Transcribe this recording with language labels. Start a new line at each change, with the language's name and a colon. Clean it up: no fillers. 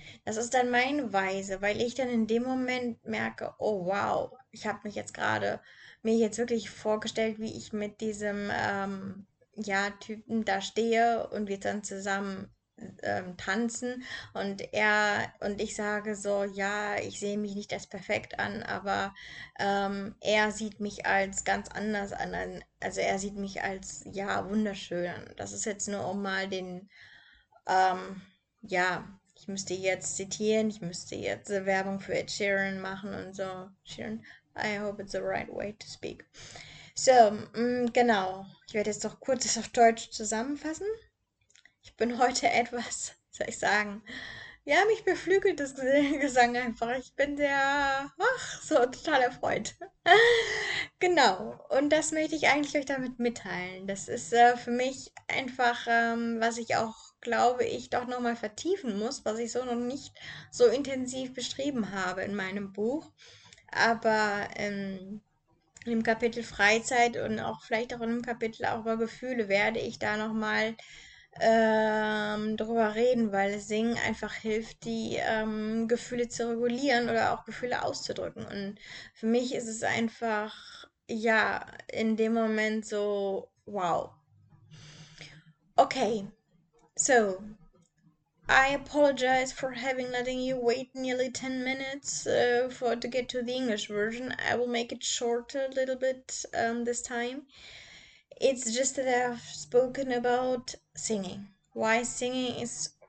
German: Das ist dann meine Weise, weil ich dann in dem Moment merke, oh wow, ich habe mich jetzt gerade, mir jetzt wirklich vorgestellt, wie ich mit diesem, ja, Typen da stehe und wir dann zusammen tanzen und er und ich sage so, ja, ich sehe mich nicht als perfekt an, aber er sieht mich als ganz anders an, also er sieht mich als, ja, wunderschön. Das ist jetzt nur um mal den, ja, ich müsste jetzt zitieren, ich müsste jetzt Werbung für Ed Sheeran machen und so.
English: Sheeran, I hope it's the right way to speak.
German: So, genau, ich werde jetzt noch kurz das auf Deutsch zusammenfassen. Ich bin heute etwas, soll ich sagen, ja, mich beflügelt das Gesang einfach. Ich bin sehr, ach, so total erfreut. Genau. Und das möchte ich eigentlich euch damit mitteilen. Das ist für mich einfach, was ich auch, glaube ich, doch nochmal vertiefen muss, was ich so noch nicht so intensiv beschrieben habe in meinem Buch. Aber im Kapitel Freizeit und auch vielleicht auch in dem Kapitel auch über Gefühle werde ich da nochmal darüber reden, weil Singen einfach hilft, die Gefühle zu regulieren oder auch Gefühle auszudrücken. Und für mich ist es einfach, ja, in dem Moment so, wow. Okay, so.
English: I apologize for having letting you wait nearly 10 minutes for to get to the English version. I will make it shorter a little bit this time. It's just that I've spoken about singing. Why singing is